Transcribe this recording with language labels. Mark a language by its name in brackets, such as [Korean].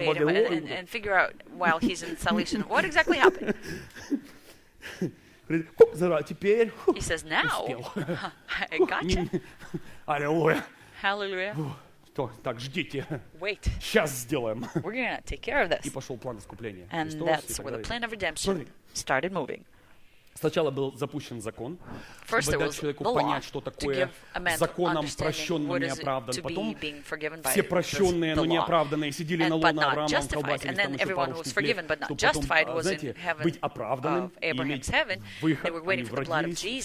[Russian] Вавилон. Теперь успел. Аллилуйя. Аллилуйя. Так, ждите. [English] Wait. [Russian] Сейчас сделаем. [English] We're gonna take care of this. [Russian] И пошел план искупления. [English] And that's where the plan of redemption started moving. [Russian] Сначала был запущен закон, чтобы дать человеку понять, что такое законом прощенный и неоправдан. Потом все прощенные, но неоправданные сидели на луне Авраама, колбасились там еще пару штук, чтобы потом, знаете, быть оправданным, иметь выход, они в родились.